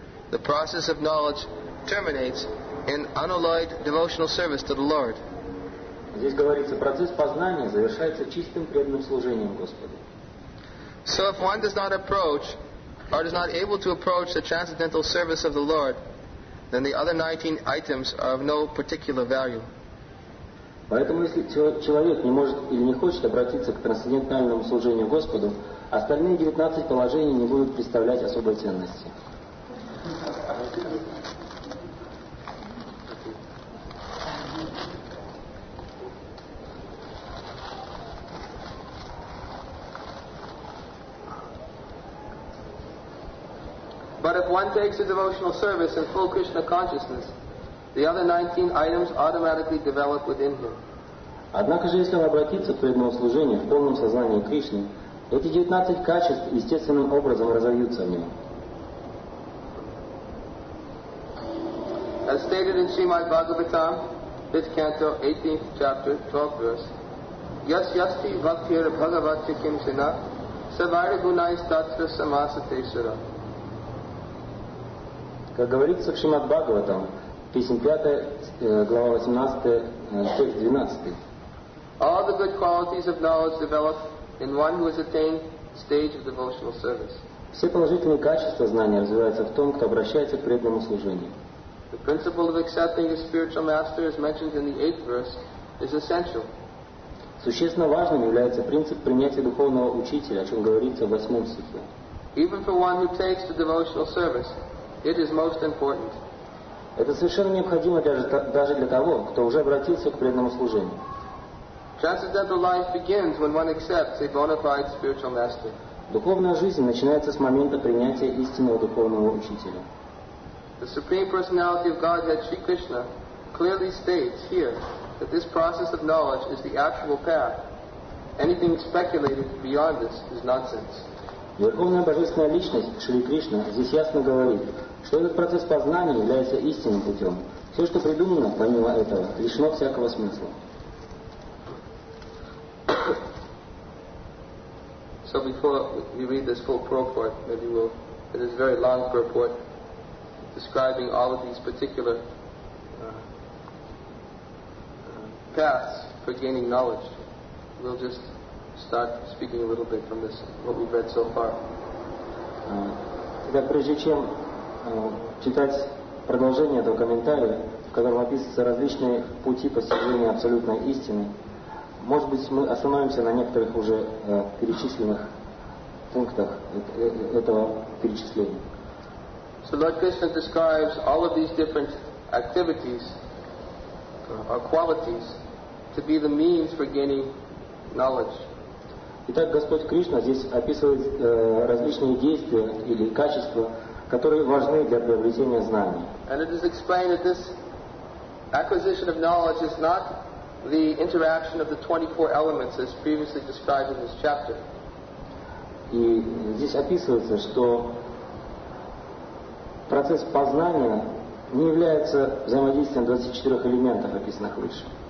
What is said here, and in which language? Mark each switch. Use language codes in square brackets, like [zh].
[en] The process of knowledge terminates in unalloyed devotional service to the Lord. [ru] Здесь говорится, процесс познания завершается чистым преданным служением Господу. [en] So if one does not approach or is not able to approach the transcendental service of the Lord, then the other 19 items are of no particular value. [ru] Поэтому если человек не может или не хочет обратиться к трансцендентальному служению Господу, остальные 19 положений не будут представлять особой ценности. [en] But if one takes a devotional service in full Krishna consciousness, the other 19 items automatically develop within him. [ru] Однако же, если он обратится к преданному служению в полном сознании Кришны, эти 19 качеств естественным образом разовьются в нем. [en] As stated in Srimad Bhagavatam, 5th canto, 18th chapter, 12th verse, [sa] Yas yasti vaktir bhagavati kim sina, savaira gunai stattva samasate sura. [ru] Как говорится в Шримад Бхагаватам, песня 5, глава 18, текст 12. [en] All the good qualities of knowledge develop in one who has attained stage of devotional service. [ru] Все положительные качества знания развиваются в том, кто обращается к преданному служению. [en] The principle of accepting a spiritual master, as mentioned in the 8th verse, is essential. [ru] Существенно важным является принцип принятия духовного учителя, о чем говорится в 8 стихе. [en] Even for one who takes the devotional service, it is most important. [ru] Это совершенно необходимо даже для того, кто уже обратился к преданному служению. [en] Transcendental life begins when one accepts a bona fide spiritual master. [ru] Духовная жизнь начинается с момента принятия истинного духовного учителя. [en] The Supreme Personality of Godhead, Sri Krishna, clearly states here that this process of knowledge is the actual path. Anything speculated beyond this is nonsense. [ru] Верховная Божественная Личность, Шри Кришна, здесь ясно говорит, что этот процесс познания является истинным путем. Все, что придумано, помимо этого, лишено всякого смысла. [en] So before we read this full purport, maybe we'll... It is a very long purport, describing all of these particular paths for gaining knowledge. We'll just start speaking a little bit from this, what we've read so far. [ru] Итак, прежде чем читать продолжение этого комментария, в котором описываются различные пути постижения абсолютной истины, может быть, мы остановимся на некоторых уже перечисленных пунктах этого перечисления. [en] So Lord Krishna describes all of these different activities or qualities to be the means for gaining knowledge. [ru] Итак, Господь Кришна здесь описывает различные действия или качества, которые важны для приобретения знаний. [en] And it is explained that this acquisition of knowledge is not the interaction of the 24 elements as previously described in this chapter. [ru] И здесь описывается, что процесс познания не является взаимодействием 24 элементов, описанных выше.